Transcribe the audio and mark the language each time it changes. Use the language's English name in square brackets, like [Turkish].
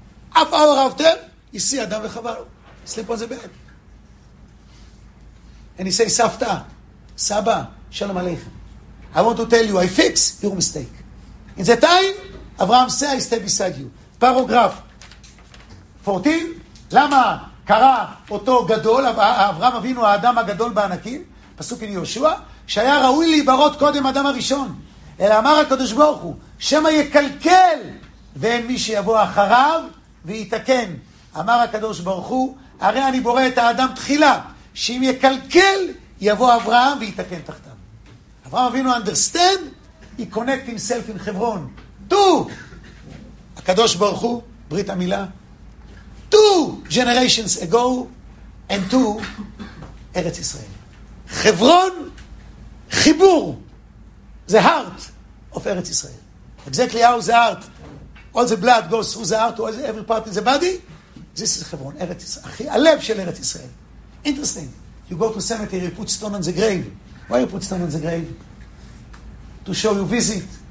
[English] half hour after you see adam vechava sleep on the bed and he say [Hebrew] safta saba shalom aleichem [English] I want to tell you, I fix your mistake. In the time, Abraham said, I stay beside you. Paragraph 14. [Hebrew] Lama kara oto gadol, Abraham avinu, האדם הגדול בענקים, פסוק עם יהושע, שהיה ראוי להיברות קודם אדם הראשון. אלא אמר הקדוש ברוך הוא, שמה יקלקל, ואין מי שיבוא אחריו, ויתקן. אמר הקדוש ברוך הוא, הרי אני בורא את האדם תחילה, שאם יקלקל, יבוא אברהם ויתקן תחתיו. [English] אברהם אבינו understand, he connect himself in חברון. Two, הקדוש ברוך הוא, ברית המילה. Two generations ago, and two, ארץ ישראל. [Hebrew] חברון, חיבור, the heart of ארץ ישראל. [English] Exactly how the heart, all the blood goes through the heart, to every part in the body, this is חברון, ארץ ישראל. [Hebrew] הלב של ארץ ישראל. [English] Interesting, you go to cemetery, you put stone on the grave. Why you put stone on the grave? To show you visit